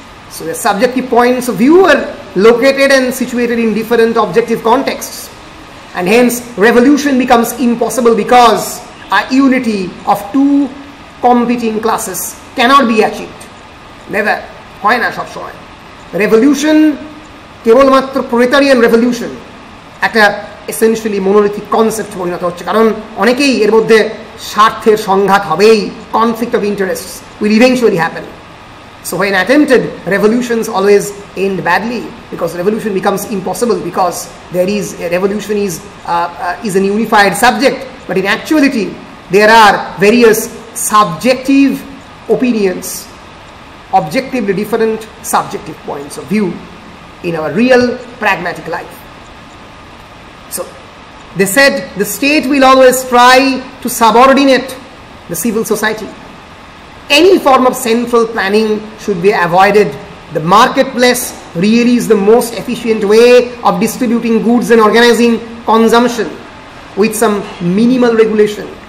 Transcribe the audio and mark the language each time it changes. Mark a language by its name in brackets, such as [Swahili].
[English] So their subjective points of view are located and situated in different objective contexts. And hence, revolution becomes impossible because a unity of two competing classes cannot be achieved. Never. Why not? Revolution [Bangla] কেবলমাত্র প্রোলেটারিয়ান revolution একটা essentially monolithic concept পরিণত হচ্ছে, কারণ অনেকেই এর মধ্যে স্বার্থের সংঘাত হবেই, [English] Conflict of interest will eventually happen. So when attempted revolutions always end badly, because revolution becomes impossible because there is revolution is an unified subject, but in actuality there are various subjective opinions, objectively different subjective points of view in our real pragmatic life. So they said the state will always try to subordinate the civil society. Any form of central planning should be avoided. The marketplace really is the most efficient way of distributing goods and organizing consumption with some minimal regulation.